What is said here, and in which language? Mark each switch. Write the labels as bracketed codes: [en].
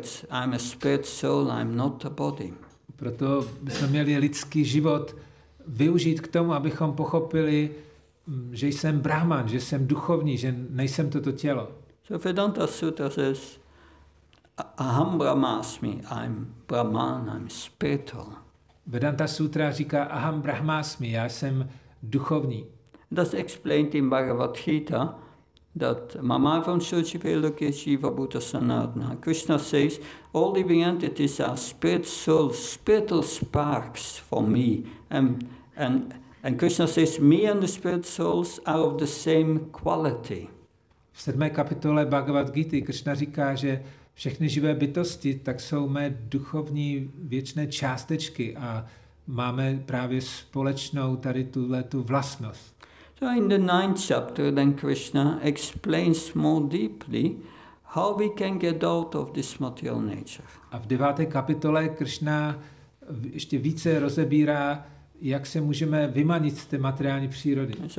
[en] I'm a spirit soul, I'm not a body. [cs] Proto bychom měli lidský život využít k tomu, abychom pochopili, že jsem Brahman, že jsem duchovní, že nejsem toto tělo. [en] So Vedanta Sutra says Aham Brahmasmi, I'm Brahman, I'm spiritual. [cs] Vedanta Sutra říká Aham Brahmasmi, já jsem duchovní. [en] That's explained in Bhagavad Gita that [sa] Mamavam Suchivaloke Shiva Buddha Sanatana. [en] Krishna says all living entities are spirit souls, spiritual sparks for me. And Krishna says me and the spirit souls are of the same quality. [cs] V 7. kapitole Bhagavad Gita Krishna říká, že všechny živé bytosti tak jsou mé duchovní věčné částečky a máme právě společnou tady tuhle tu vlastnost. [en] So in the ninth chapter then Krishna explains more deeply how we can get out of this material nature. [cs] A v 9. kapitole Krishna ještě více rozebírá, jak se můžeme vymanit z té materiální přírody.